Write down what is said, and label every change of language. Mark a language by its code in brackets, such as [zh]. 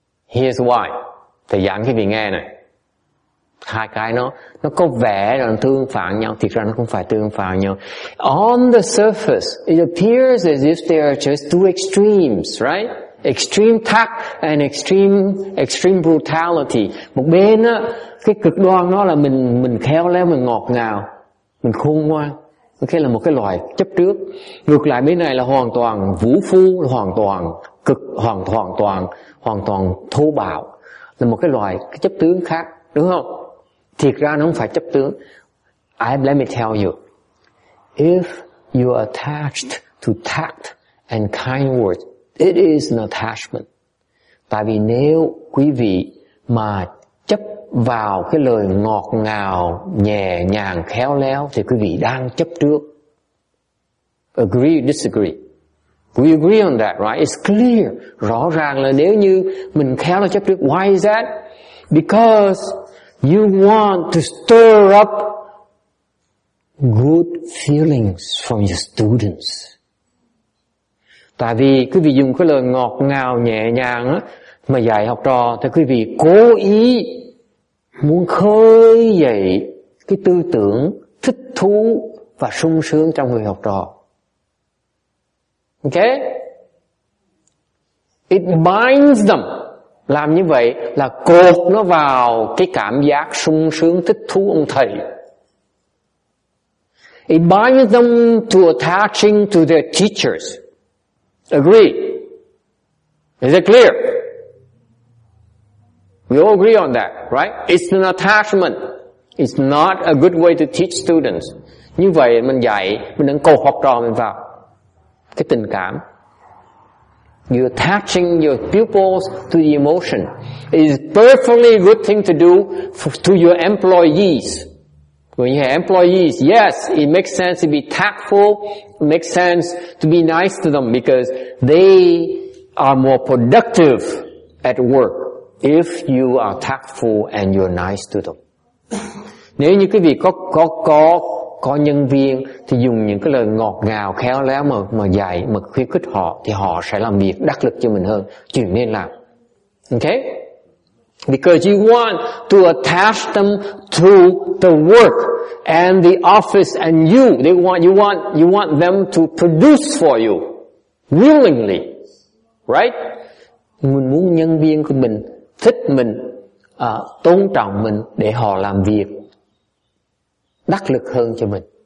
[en] Here's why. [vi] Thầy giảng cái vị nghe này. Hai cái nó có vẻ là nó tương phản nhau. Thực ra nó không phải tương phản nhau. [en] On the surface, it appears as if they are just two extremes, right? Extreme tact and extreme brutality. [vi] Một bên á, cái cực đoan nó là mình khéo léo, mình ngọt ngào, mình khôn ngoan. Ok, là một cái loại chấp trước. Ngược lại bên này là hoàn toàn vũ phu, hoàn toàn cực, hoàn toàn thô bạo, là một cái loại cái chấp tướng khác, đúng không? Thiệt ra nó không phải chấp tướng. [en] Let me tell you, if you are attached to tact and kind words, it is an attachment. [vi] Tại vì nếu quý vị mà chấp vào cái lời ngọt ngào, nhẹ nhàng, khéo léo, thì quý vị đang chấp trước. [en] Agree or disagree? We agree on that, right? It's clear. [vi] Rõ ràng là nếu như mình khéo là chấp trước. [en] Why is that? Because you want to stir up good feelings from your students. [vi] Tại vì quý vị dùng cái lời ngọt ngào, nhẹ nhàng á, mà dạy học trò, thì quý vị cố ý muốn khơi dậy cái tư tưởng thích thú và sung sướng trong người học trò. Okay? [en] It binds them. [vi] Làm như vậy là cột nó vào cái cảm giác sung sướng thích thú ông thầy. [en] It binds them to attaching to their teachers. Agree? Is it clear? We all agree on that, right? It's an attachment. It's not a good way to teach students. [vi] Như vậy mình dạy, mình đang cột học trò mình vào cái tình cảm. [en] You're attaching your pupils to the emotion. It is perfectly good thing to do to your employees. When you have employees, yes, it makes sense to be tactful, it makes sense to be nice to them because they are more productive at work if you are tactful and you're nice to them. [vi] Nếu như quý vị có nhân viên thì dùng những cái lời ngọt ngào, khéo léo mà dạy, mà khuyến khích họ thì họ sẽ làm việc đắc lực cho mình hơn. Chuyện nên làm. Okay? [en] Because you want to attach them to the work and the office and you. You want them to produce for you willingly. Right? [vi] Mình muốn nhân viên của mình thích mình, tôn trọng mình để họ làm việc đắc lực hơn cho mình.